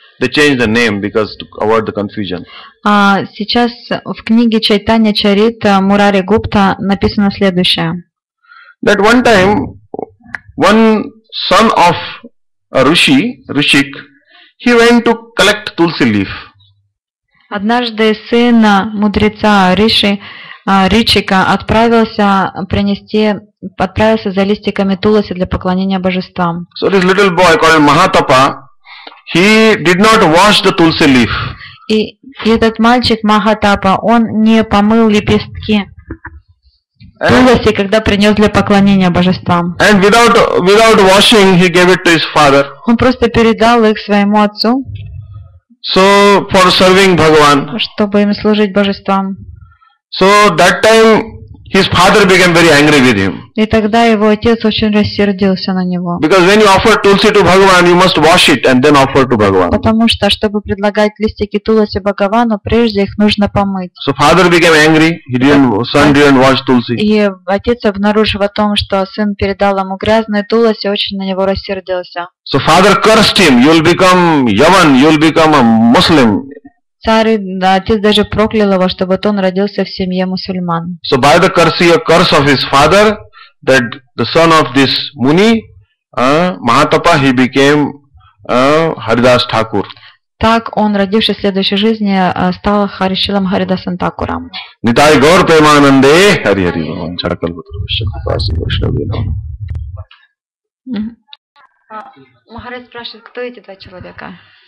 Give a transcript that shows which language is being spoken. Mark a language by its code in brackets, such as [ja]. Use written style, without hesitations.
[en] They changed the name because to avoid the confusion. [ru] Сейчас в книге Чайтанья Чарит Мурари Гупта написано следующее. [en] That one time, one son of a Rishi, Rishik, he went to collect tulsi leaf. [ru] Однажды сын мудреца Риши, Ричика, отправился за листиками туласи для поклонения божествам. [en] So this little boy called Mahatapa, he did not wash the tulsi leaf. [ru] И этот мальчик Махатапа, он не помыл лепестки туласи, когда принес для поклонения божествам. [en] And without washing, he gave it to his father. [ru] Он просто передал их своему отцу. [en] So for serving Bhagavan. [ru] Чтобы им служить божествам. [en] So that time his father became very angry with him. [ru] И тогда его отец очень рассердился на него. [en] Because when you offer tulsi to Bhagavan, you must wash it and then offer to Bhagavan. [ru] Потому что чтобы предлагать листики туласи Бхагавану, прежде их нужно помыть. [en] So father became angry. Son didn't wash tulsi. [ru] И отец, обнаружив о том, что сын передал ему грязные туласи, очень на него рассердился. [en] So father cursed him. You'll become Yavan. You'll become a Muslim. [ru] Отец даже проклял его, чтобы он родился в семье мусульман. [en] So by the curse, a curse of his father, that the son of this Muni, Mahatapa, he became Haridas Thakur. [ru] Так он, родившись в следующей жизни, стал Харишилом Харидасом Такуром. Нитай Гаур Премананде, Хари Хари Бхагаван, Чаракал Бхатра Вишна, Паси Вишна Вилам. Махарадж спрашивает, кто эти два человека?